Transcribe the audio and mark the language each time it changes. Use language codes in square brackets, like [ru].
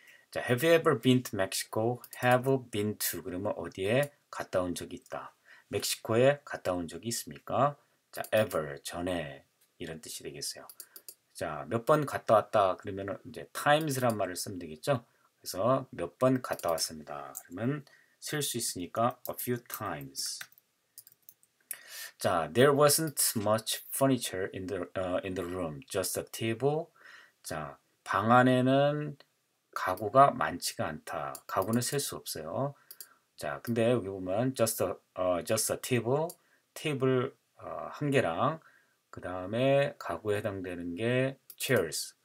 [en] 자, Have you ever been to Mexico? Have been to [ko] 그러면 어디에 갔다 온 적이 있다. 멕시코에 갔다 온 적이 있습니까? 자, ever, 전에 이런 뜻이 되겠어요. 자, 몇번 갔다 왔다 그러면 이제 times란 말을 쓰면 되겠죠? 그래서 몇번 갔다 왔습니다. 그러면 쓸수 있으니까 [en] a few times. 자, there wasn't much furniture in the room, just a table. [ko] 자, 방 안에는 가구가 많지가 않다. 가구는 셀수 없어요. 자, 근데 여기 보면 [en] just a table, [ko] 테이블 한 개랑 그 다음에 가구에 해당되는 게 chairs.